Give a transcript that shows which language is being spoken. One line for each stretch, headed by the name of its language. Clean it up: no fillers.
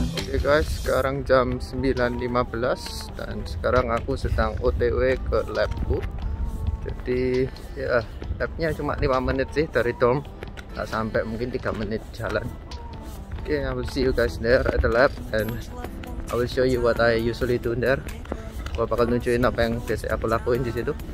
English: Hey guys,
Indonesian: sekarang jam 9:15 dan sekarang aku sedang OTW ke labku. Jadi ya labnya cuma 5 menit sih dari dorm, tak sampai mungkin 3 menit jalan.
English: Oke, okay, I will see you guys there at the lab and I will show you what I usually do there.
Indonesian: Gua bakal nunjukin apa yang biasa aku lakuin di situ.